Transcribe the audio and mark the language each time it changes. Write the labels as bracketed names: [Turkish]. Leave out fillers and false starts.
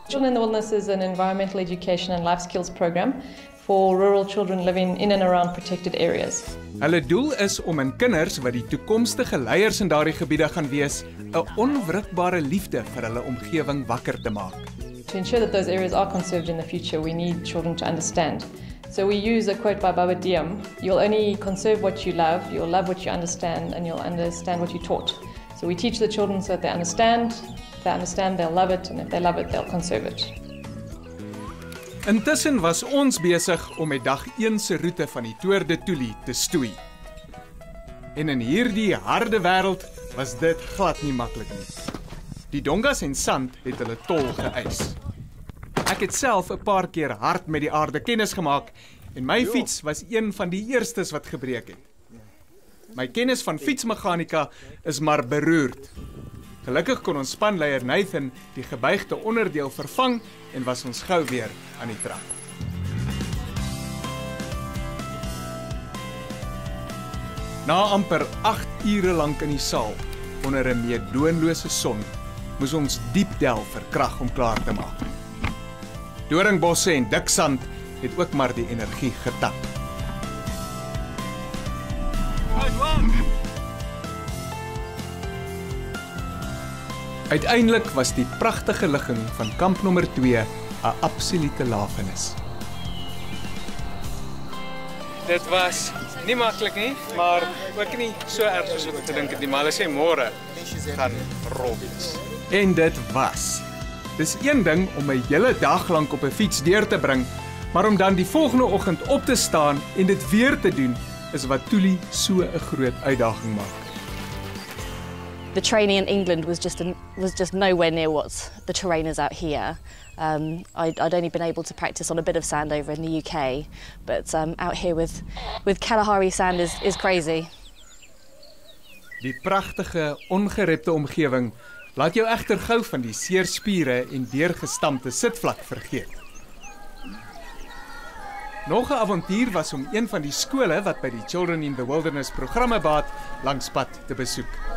[English] Children in the Wilderness is an environmental education and life skills program for rural children living in and around protected areas. [Afrikaans] Hulle doel is om in kinders wat die toekomstige leiers in daardie gebiede gaan wees, 'n onwrikbare liefde vir hulle omgewing wakker te maak. [English] To ensure that those areas are conserved in the future, we need children to understand. So we use a quote by Baba Diem, you'll only conserve what you love, you'll love what you understand, and you'll understand what you taught. So we teach the children so that they understand, if they understand they'll love it, and if they love it, they'll conserve it. [Afrikaans] Intussen was ons besig om met dag 1 se route van die Tour de Thule te stoei. En in hierdie harde wêreld was dit glad nie maklik nie. Die dongas en sand het hulle tol geëis. Ek het self 'n paar keer hard met die aarde kennis gemaak en my fiets was een van die eerstes wat gebreek het. My kennis van fietsmechanika is maar beroerd. Gelukkig kon ons spanleier Nathan die gebuigde onderdeel vervang en was ons gauw weer aan die trap. Na amper 8 ure lank in die saal, onder 'n meedoenlose son, moes ons diep delf vir krag om klaar te maak. Doringbosse en diksand het ook maar die energie getap. Uiteindelik was die pragtige ligging van kamp nommer 2 'n absolute lafenis. Dit was nie maklik nie, maar ook nie so erg soos wat ek gedink het nie, maar hulle sê môre gaan robbies. En dit was. Dit is een ding om 'n hele dag lank op 'n fiets deur te bring, maar om dan die volgende oggend op te staan en dit weer te doen, is wat Thule so 'n groot uitdaging maak. [English] The training in England was just nowhere near what the terrain is out here. I'd only been able to practice on a bit of sand over in the UK, but out here with Kalahari sand is crazy. [Afrikaans] Die pragtige, ongerepte omgewing laat jou egter gou van die seer spiere en deurgestampte sitvlak vergeet. Nog 'n avontuur was om een van die skole wat by die Children in the Wilderness programme baat, langs pad te besoek.